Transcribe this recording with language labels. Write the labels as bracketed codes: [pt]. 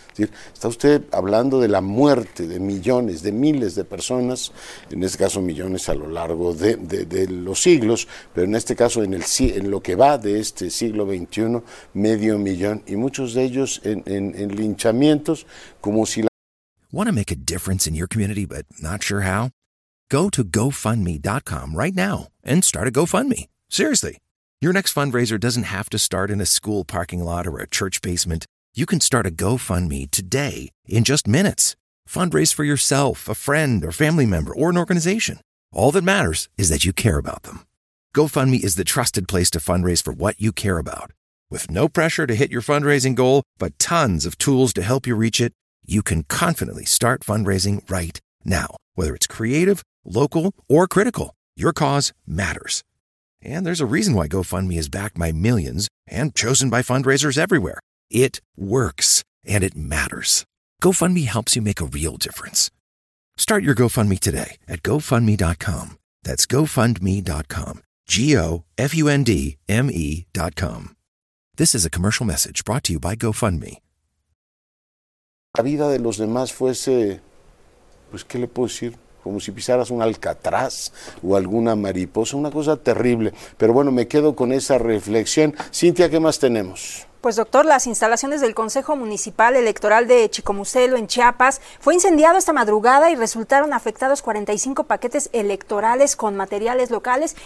[es] Es decir, está usted hablando de la muerte de millones, de miles de personas, en este caso millones a lo largo de los siglos, pero en este caso en lo que va de este siglo XXI, medio millón, y muchos de ellos en linchamientos, como si la... [en] Want to make a difference in your community but not sure how? Go to GoFundMe.com right now and start a GoFundMe. Seriously, your next fundraiser doesn't have to start in a school parking lot or a church basement. You can start a GoFundMe today in just minutes. Fundraise for yourself, a friend, or family member, or an organization. All that matters is that you care about them. GoFundMe is the trusted place to fundraise for what you care about. With no pressure to hit your fundraising goal, but tons of tools to help you reach it, you can confidently start fundraising right now. Whether it's creative, local, or critical, your cause matters. And there's a reason why GoFundMe is backed by millions and chosen by fundraisers everywhere. It works, and it matters. GoFundMe helps you make a real difference. Start your GoFundMe today at GoFundMe.com. That's GoFundMe.com. GoFundMe.com. This is a commercial message brought to you by GoFundMe. [es] La vida de los demás fuese, pues, ¿qué le puedo decir? Como si pisaras un alcatraz o alguna mariposa, una cosa terrible. Pero bueno, me quedo con esa reflexión. Cintia, ¿qué más tenemos? Pues doctor, las instalaciones del Consejo Municipal Electoral de Chicomucelo en Chiapas fue incendiado esta madrugada y resultaron afectados 45 paquetes electorales con materiales locales.